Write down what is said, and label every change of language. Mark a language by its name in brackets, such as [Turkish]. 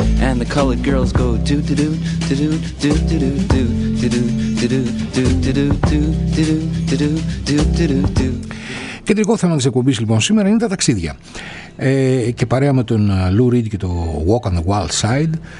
[English] And the colored girls go do do do do do do do do do do do do do do do do do do do do do do do do do. [Greek] Κεντρικό θέμα της εκπομπής λοιπόν σήμερα είναι τα ταξίδια. Και παρέα με τον Lou Reed και το Walk on the Wild Side.